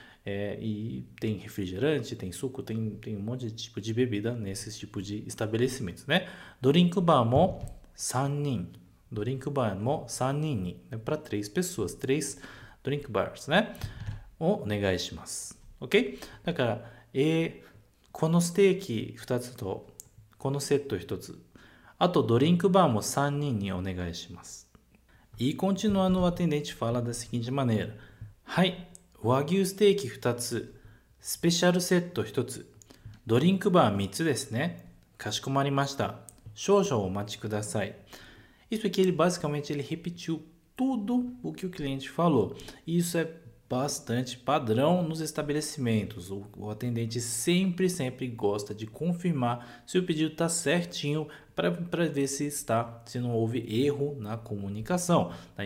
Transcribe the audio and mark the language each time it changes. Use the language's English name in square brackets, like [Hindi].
[Portuguese] E tem refrigerante, tem suco, tem um monte de tipo de bebida nesses tipos de estabelecimentos, né? [Japanese] Drink bar mo 3人.Drink bar mo 3人. [Portuguese] É para três pessoas, três drink bars, né? [Japanese] O negai shimasu. Ok? Da cara, このステーキ2つと、このセット1つ。あとドリンクバーも3人にお願いします。 [Portuguese] E continuando, o atendente fala da seguinte maneira: [Japanese] はい。和牛ステーキ2つ、スペシャルセット1つ、ドリンクバー3つですね。かしこまりました。少々お待ちください。 [Portuguese] Isso aqui, ele basicamente ele repetiu tudo o que o cliente falou. E isso é bastante padrão nos estabelecimentos. O atendente sempre, sempre gosta de confirmar se o pedido está certinho para ver se está, se não houve erro na comunicação, tá?